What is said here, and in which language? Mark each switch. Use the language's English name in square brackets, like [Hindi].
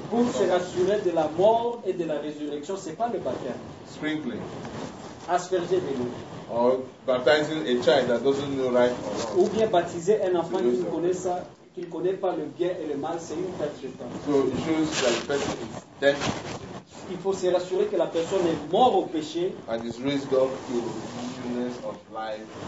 [French] Pour se rassurer de la mort et de la résurrection, c'est pas le baptême. [English] Sprinkling. [French] Asperger de l'eau. [English] Or baptizing a child that doesn't know right or wrong. [French] Ou bien baptiser un enfant qui ne connaît ça, qui ne connaît pas le bien et le mal, c'est une perte de temps. [English] So it shows that the person is dead. [French] Il faut se rassurer que la personne est morte au péché. [English] And is raised up to the newness of life.